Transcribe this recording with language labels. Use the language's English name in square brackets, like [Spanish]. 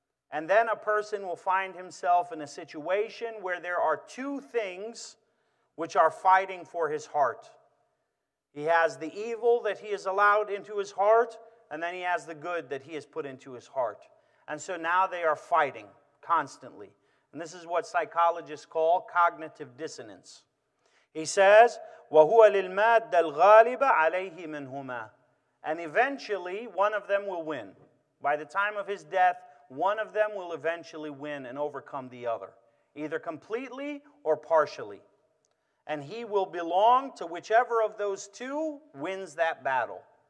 [English] And then a person will find himself in a situation where there are two things which are fighting for his heart. He has the evil that he has allowed into his heart, and then he has the good that he has put into his heart. And so now they are fighting constantly. And this is what psychologists call cognitive dissonance. He says, [Arabic] وَهُوَ لِلْمَادَّ الْغَالِبَ عَلَيْهِ مِنْهُمَا. [English] And eventually, one of them will win. By the time of his death, one of them will eventually win and overcome the other, either completely or partially. And he will belong to whichever of those two wins that battle.